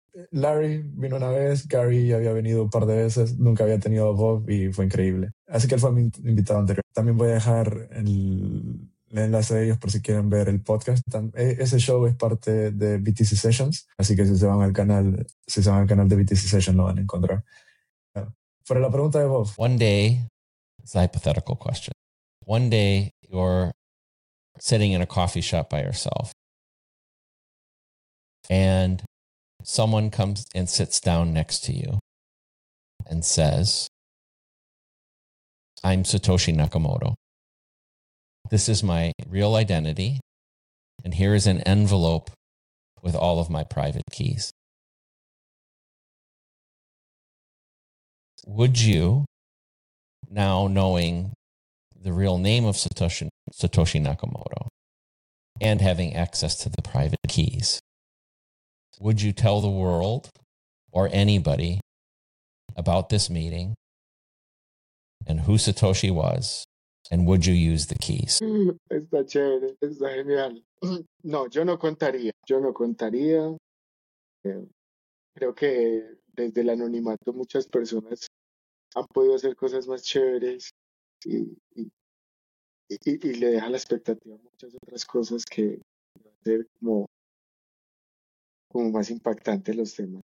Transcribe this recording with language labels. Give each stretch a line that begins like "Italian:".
Spanish: Larry vino una vez, Gary había venido un par de veces, nunca había tenido Bob y fue increíble. Así que él fue mi invitado anterior. También voy a dejar el enlace de ellos por si quieren ver el podcast. Ese show es parte de BTC Sessions, así que si se van al canal de BTC Sessions lo van a encontrar. Pero la pregunta de Bob.
English: One day, it's a hypothetical question. One day you're sitting in a coffee shop by yourself and someone comes and sits down next to you and says, I'm Satoshi Nakamoto. This is my real identity. And here is an envelope with all of my private keys. Would you, now knowing the real name of Satoshi Nakamoto and having access to the private keys, would you tell the world or anybody about this meeting and who Satoshi was, and would you use the keys?
Spanish: Está chévere, está genial. No, yo no contaría. Creo que desde el anonimato muchas personas han podido hacer cosas más chéveres y le deja la expectativa a muchas otras cosas que van a ser como más impactante los temas.